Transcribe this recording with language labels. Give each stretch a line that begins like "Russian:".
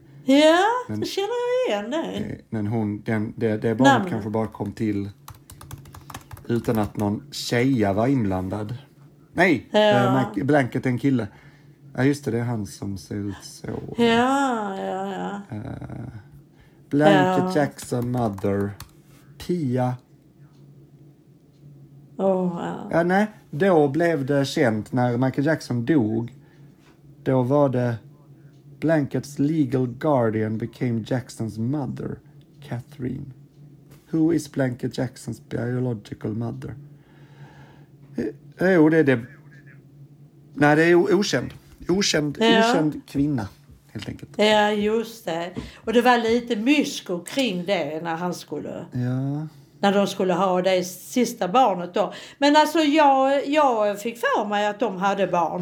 Swedish: Ja, men, det känner jag igen dig. Men hon, det barnet namn. Kanske bara kom till utan att någon tjeja var inblandad. Nej, Blanket är en kille. Ja, just det är han som ser ut så. Ja.
English: Blanket Jackson, mother.
Swedish: Pia. Oh, ja, nej. Då blev det känt när Michael Jackson dog. Då var det...
English: Blankets legal guardian became Jackson's mother, Catherine. Who is Blanket Jacksons biological mother?
Swedish: Nej, det är okänd. Okänd kvinna, helt enkelt. Ja, just det. Och det var lite mysko kring det när han skulle... Ja. när de skulle ha det sista barnet då. Men alltså jag fick för mig att de hade barn.